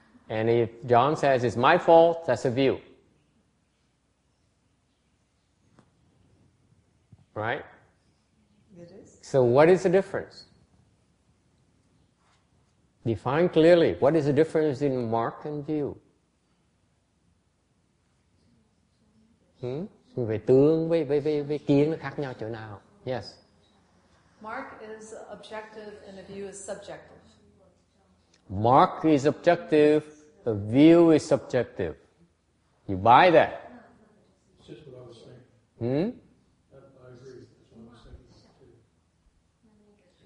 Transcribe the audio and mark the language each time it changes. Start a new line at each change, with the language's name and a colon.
English: And if John says it's my fault, that's a view. Right? It is. So what is the difference? Define clearly. What is the difference in mark and view?
Vietnamese: Về tướng, về kiến nó khác nhau chỗ nào?
English: Yes. Mark is objective and a view is subjective. Mark is objective, a view is subjective. You buy that? It's just what I was saying. Hmm? I agree. That's what I was saying.